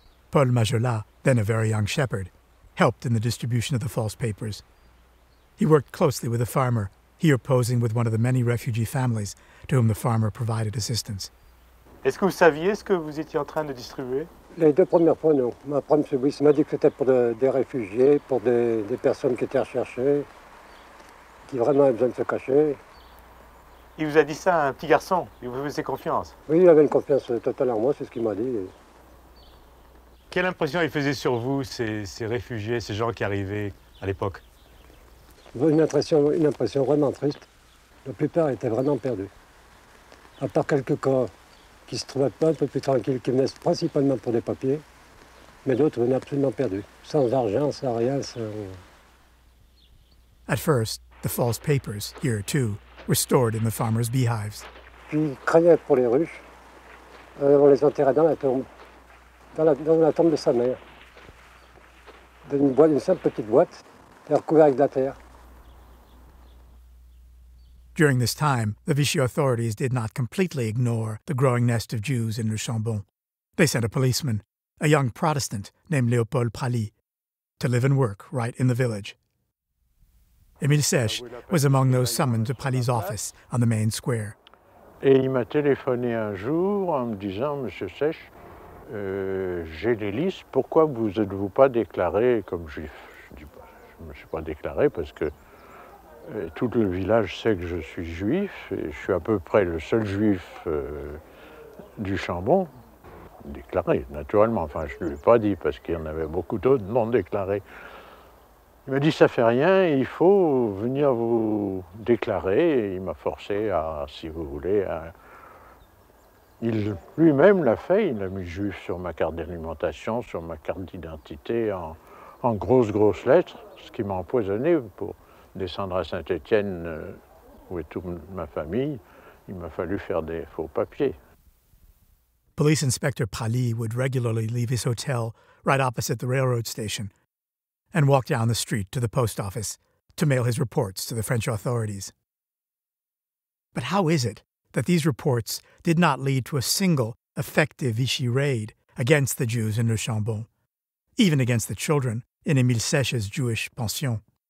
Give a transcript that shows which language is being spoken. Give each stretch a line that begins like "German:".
English: Paul Majola, then a very young shepherd, helped in the distribution of the false papers. He worked closely with a farmer, here posing with one of the many refugee families to whom the farmer provided assistance.
French: Est-ce que vous saviez ce que vous étiez en train de distribuer? Les deux premières fois, non. Ma première service m'a dit que c'était pour des réfugiés, pour des personnes qui étaient recherchées, qui vraiment avaient besoin de se cacher. Il vous a dit ça à un petit garçon? Il vous faisait confiance? Oui, il avait une confiance totale en moi, c'est ce qu'il m'a dit. Quelle impression il faisait sur vous, ces réfugiés, ces gens qui arrivaient à l'époque? Une impression vraiment triste. La plupart étaient vraiment perdus. À part quelques cas qui se trouvaient pas un peu plus tranquilles, qui venaient principalement pour des papiers, mais d'autres venaient absolument perdus, sans argent, sans rien, sans...
English: At first, the false papers, here too, were stored in the farmers' beehives.
French: Puis ils craignaient pour les ruches. On les enterrait dans la tombe. Dans la tombe de sa mère. Dans une simple petite boîte, recouverte avec de la terre.
English: During this time, the Vichy authorities did not completely ignore the growing nest of Jews in Le Chambon. They sent a policeman, a young Protestant named Léopold Prali, to live and work right in the village. Émile Sech was among those summoned to Prali's office on the main square.
French: Et il m'a téléphoné un jour en me disant, Monsieur Sech, j'ai des listes, pourquoi vous êtes-vous pas déclaré comme juif? Je dis, je me suis pas déclaré parce que tout le village sait que je suis juif, et je suis à peu près le seul juif du Chambon déclaré, naturellement. Enfin, je ne lui ai pas dit, parce qu'il y en avait beaucoup d'autres non déclarés. Il m'a dit, ça fait rien, il faut venir vous déclarer. Et il m'a forcé à, si vous voulez, à... Il lui-même l'a fait, il a mis juif sur ma carte d'alimentation, sur ma carte d'identité, en grosses, grosses lettres, ce qui m'a empoisonné pour... Descendre à Saint-Étienne, où est toute ma famille, il m'a fallu faire des faux papiers.
English: Police inspector Prali would regularly leave his hotel right opposite the railroad station and walk down the street to the post office to mail his reports to the French authorities. But how is it that these reports did not lead to a single effective Vichy raid against the Jews in Le Chambon, even against the children in Émile Sech's Jewish pension?